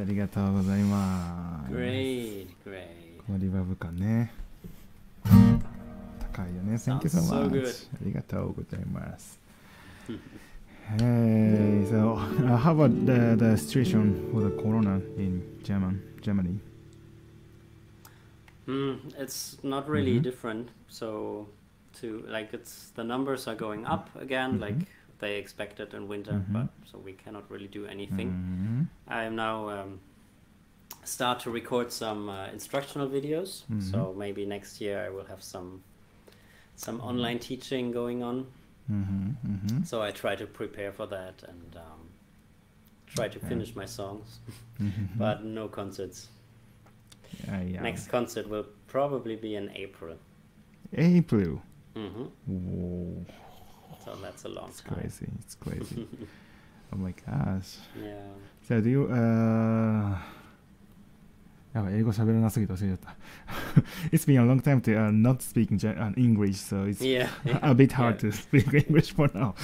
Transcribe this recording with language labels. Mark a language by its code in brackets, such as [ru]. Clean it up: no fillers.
[ja] ありがとうございます。 [en] Great, great. [ja] このリバーブ感ね。高いよね。 [en] Thank you so much. So good. [ja] ありがとうございます。 [en] Hey, so how about the situation with the corona in Germany? It's not really different. So, it's the numbers are going up again, like they expected in winter, but so we cannot really do anything. I am now start to record some instructional videos. So maybe next year I will have some online teaching going on. So I try to prepare for that and try to finish my songs, but no concerts. Next concert will probably be in April. April? Whoa. So that's a long time. It's crazy. Oh my gosh. Yeah. So do you... [ja] やばい、英語喋らなすぎて忘れちゃった。 [en] It's been a long time to not speak English, so it's a bit hard to speak English for now.